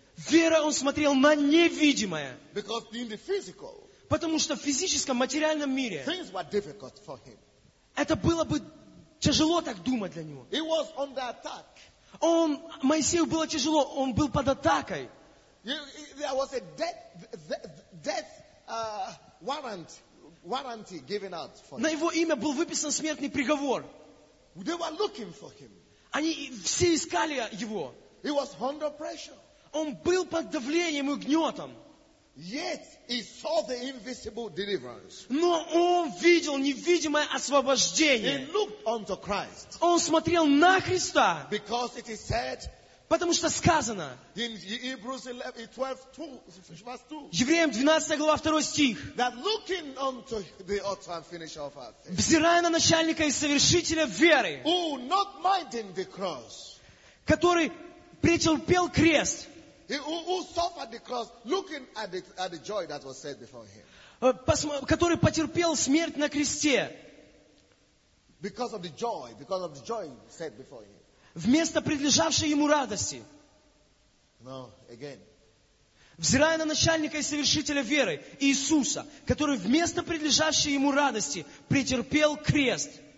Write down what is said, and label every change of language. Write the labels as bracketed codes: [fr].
[ru] Верой он смотрел на невидимое. [en] Because in the physical. [ru] Потому что в физическом, материальном мире. [en] Things were difficult for him. [ru] Это было бы тяжело так думать для него. [en] He was under attack. [ru] Он Моисею было тяжело, он был под атакой. [en] There was a death warranty given out for him. [ru] На его имя был выписан смертный приговор. [en] They were looking for him. [ru] Они все искали его. [en] He was under pressure. [ru] Он был под давлением и гнетом. [en] Yet he saw the invisible deliverance. [ru] Но он видел невидимое освобождение. [en] He looked unto Christ. [ru] Он смотрел на Христа. [en] Because it is said, [ru] Потому что сказано. [en] In Hebrews 12:2. [ru] Евреям 12 глава 2 стих. [en] That looking unto the author and finisher of our faith. [ru] Взирая на начальника и совершителя веры. [en] Who not minding the cross. [ru] Который претерпел крест. [en] Who suffered the cross, looking at the joy that was set before him. [ru] Который потерпел смерть на кресте. [en] Because of the joy set before him. [ru] Вместо предлежавшей ему радости. [en] No, again. [ru] Взирая на начальника и совершителя веры, Иисуса, который вместо предлежавшей ему радости претерпел крест.